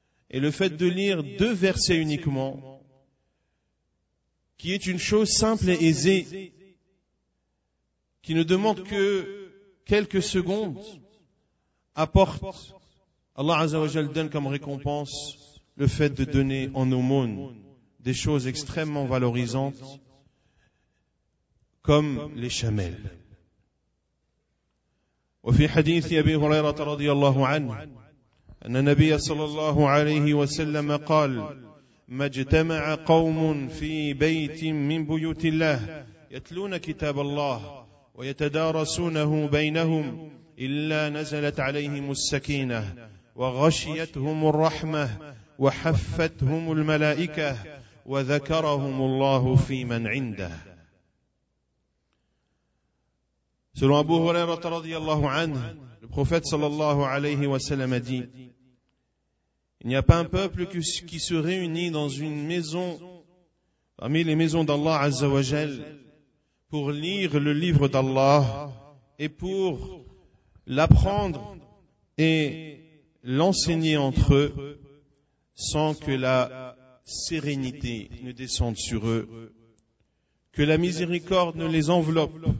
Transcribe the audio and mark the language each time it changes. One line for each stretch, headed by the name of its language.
French: Et le fait de lire deux versets uniquement, qui est une chose simple et aisée, qui ne demande que quelques secondes, apporte, Allah Azza wa Jal donne comme récompense le fait de donner en aumône des choses extrêmement valorisantes comme les chamelles.
Arabic: وفي حديث أبي هريرة رضي الله عنه أن النبي صلى الله عليه وسلم قال ما اجتمع قوم في بيت من بيوت الله يتلون كتاب الله ويتدارسونه بينهم إلا نزلت عليهم السكينة وغشيتهم الرحمة وحفتهم الملائكة وذكرهم الله في من عنده.
French: Selon Abu Huraira radiyallahu anhu, le prophète sallallahu alayhi wa sallam a dit: il n'y a pas un peuple qui se réunit dans une maison, parmi les maisons d'Allah azza wa jal, pour lire le livre d'Allah et pour l'apprendre et l'enseigner entre eux sans que la sérénité ne descende sur eux, que la miséricorde ne les enveloppe,